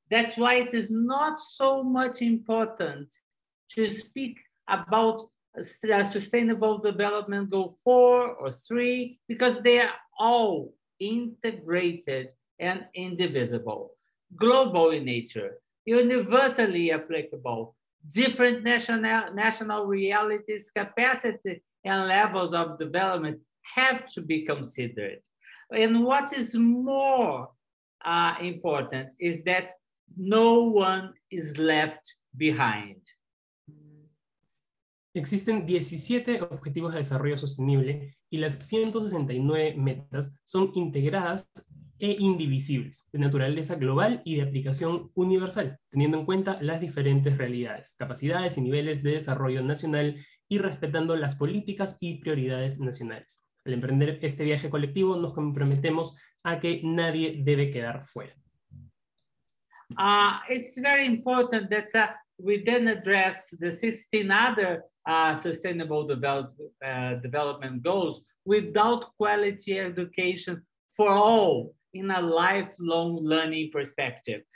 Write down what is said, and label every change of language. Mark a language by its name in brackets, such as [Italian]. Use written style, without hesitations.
[English] That's why it is not so much important to speak about Sustainable Development Goal 4 or 3, because they are all integrated and indivisible, global in nature, universally applicable, different national realities, capacity and levels of development have to be considered. And what is more important is that no one is left behind. [Spanish] Existen 17 objetivos de desarrollo sostenible y las 169 metas son integradas e indivisibles, de naturaleza global y de aplicación universal, teniendo en cuenta las diferentes realidades, capacidades y niveles de desarrollo nacional y respetando las políticas y prioridades nacionales. Al emprender este viaje colectivo, nos comprometemos a que nadie debe quedar fuera. [English] It's very important that we then address the 16 other sustainable development goals without quality education for all in a lifelong learning perspective.